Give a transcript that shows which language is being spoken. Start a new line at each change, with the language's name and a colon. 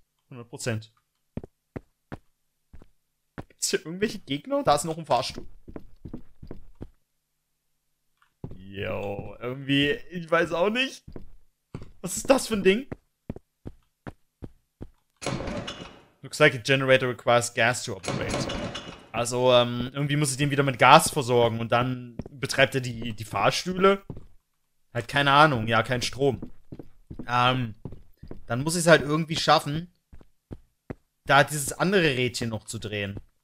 German: 100%. Gibt's hier irgendwelche Gegner? Da ist noch ein Fahrstuhl. Yo, irgendwie, ich weiß auch nicht. Was ist das für ein Ding?
English: Looks like a generator requires gas to operate.
German: Also, irgendwie muss ich den wieder mit Gas versorgen und dann betreibt er die Fahrstühle. Halt keine Ahnung, ja, kein Strom. Dann muss ich es halt irgendwie schaffen, da dieses andere Rädchen noch zu drehen.